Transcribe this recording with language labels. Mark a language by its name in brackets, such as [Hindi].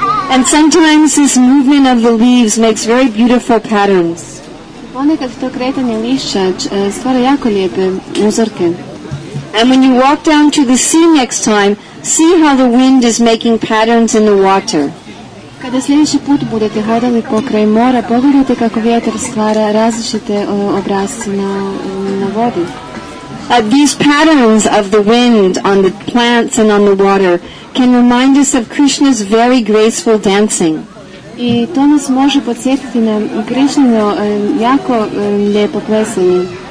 [English] And sometimes this movement of the leaves makes very beautiful patterns. [Croatian] Ponekad to kretanje lišća stvara jako lijepe uzorke. [English] And when you walk down to the sea next time, see how the wind is making patterns in the water. [Croatian] Kada sljedeći put budete hodali pokraj mora, pogledajte kako vjetar stvara različite obrasce na vodi. [English] These patterns of the wind on the plants and on the water can remind us of Krishna's very graceful dancing. [Croatian] I to nas može podsjetiti na Krishnino jako lijepo plesanje.